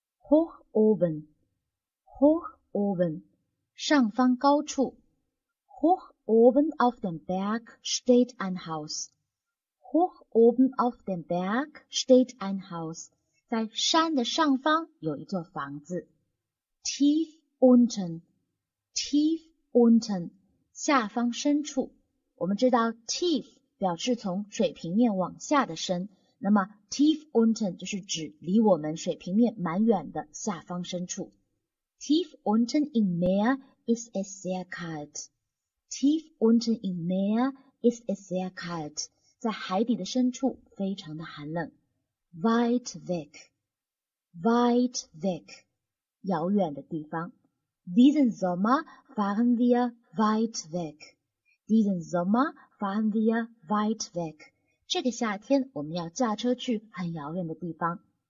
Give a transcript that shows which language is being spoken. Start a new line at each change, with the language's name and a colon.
German: Hoch oben, hoch oben,
Chinese: 上方高处。
German: Hoch oben auf dem Berg steht ein Haus. Hoch oben auf dem Berg steht ein Haus.
Chinese: 在山的上方有一座房子。
German: Tief unten,
Chinese: 下方深处。我们知道 tief 表示从水平面往下的深。那么
German: tief unten
Chinese: 就是指离我们水平面蛮远的下方深处。 Tief unten im Meer ist es sehr kalt. Tief unten im Meer ist es sehr kalt. 在海底的深处非常的寒冷。
German: Weit weg. Weit weg.
Chinese: 遥远的地方。
German: Diesen Sommer fahren wir weit weg. Diesen Sommer fahren wir weit weg.
Chinese: 这个夏天我们要驾车去很遥远的地方。